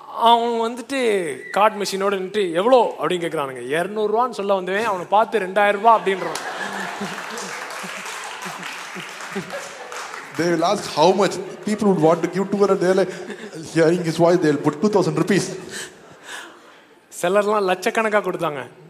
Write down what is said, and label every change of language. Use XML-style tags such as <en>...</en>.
<ta>அவன் வந்துட்டு கார்டு மிஷினோட நின்று எவ்வளோ அப்படின்னு கேட்குறானுங்க. 200 ரூபான்னு சொல்ல வந்தவன் அவனை பார்த்து 2000 ரூபா அப்படின்றான்.</ta> <en>They will ask how much people would want to give to her and they're like, hearing his voice, they'll put 2000 rupees.</en> <ta>செல்லர்லாம் லட்சக்கணக்காக கொடுத்தாங்க.</ta>